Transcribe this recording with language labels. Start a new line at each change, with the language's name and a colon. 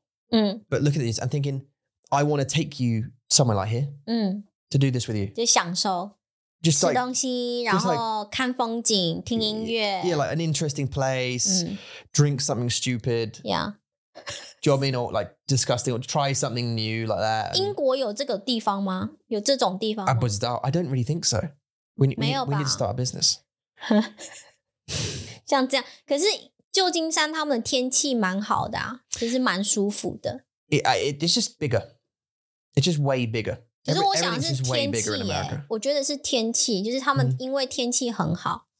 English: But looking at this, I'm thinking, I want to take you somewhere like here to do this with you.
Chinese: 就享受,
English: just like...
Chinese: 吃东西, 然后看风景, 听音乐,
English: yeah, like an interesting place, drink something stupid. Yeah. Do you know what I mean? Or like disgusting or try something new like that.
Chinese: 英国有这个地方吗?有这种地方吗?
English: I don't know. I don't really think so. We need to start a business.
Chinese: 像这样, 可是旧金山他们的天气蛮好的啊, 其实蛮舒服的。
English: It's just bigger. It's just way bigger. Everything is way bigger in America.
Chinese: 我觉得是天气, 就是他们因为天气很好。